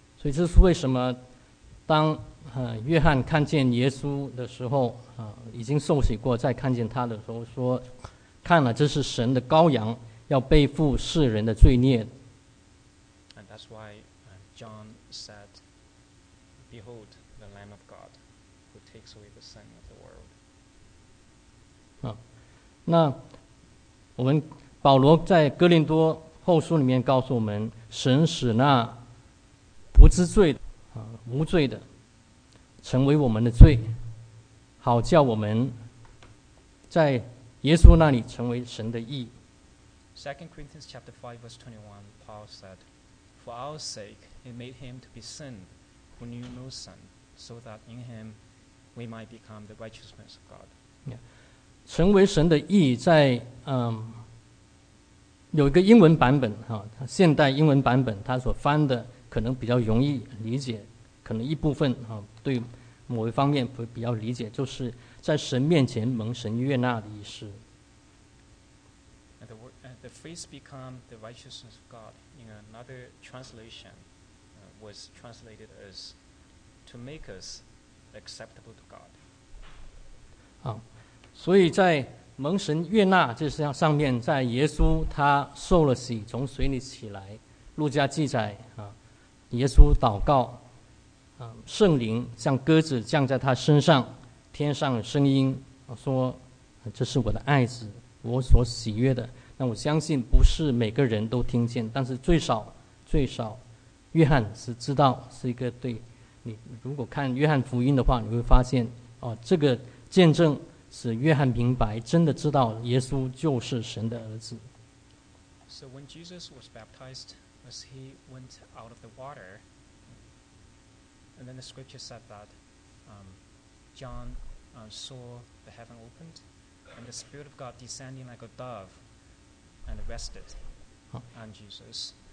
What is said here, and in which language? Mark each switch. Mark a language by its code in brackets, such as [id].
[zh] 所以这是为什么当约翰看见耶稣的时候已经受洗过，再看见他的时候说，看了，这是神的羔羊。要背负世人的罪孽。 [en] And that's why John said, "Behold, the Lamb of God, who takes away the sin of the world." [zh] 那我们保罗在哥林多后书里面告诉我们，神使那不知罪的无罪的成为我们的罪，好叫我们在耶稣那里成为神的义。 [en] 2 Corinthians chapter 5 verse 21, Paul said, For our sake he made him to be sin, who knew no sin, so that in him we might become the righteousness of God. Yeah. [zh] 成为神的义在有一个英文版本现代英文版本他所翻的可能比较容易理解，可能一部分对某一方面比较理解，就是在神面前蒙神悦纳的意思。 [en] The phrase become the righteousness of God in another translation was translated as to make us acceptable to God. [zh] 所以在蒙神悦纳这上面，在耶稣他受了洗从水里起来，路加记载耶稣祷告圣灵像鸽子降在他身上，天上声音说这是我的爱子，我所喜悦的。那我相信不是每个人都听见，但是最少最少约翰是知道，是一个对你如果看约翰福音的话，你会发现这个见证使约翰明白真的知道耶稣就是神的儿子。 [en] So when Jesus was baptized, as he went out of the water, and then the scripture said that John saw the heaven opened and the Spirit of God descending like a doveand rested on Jesus.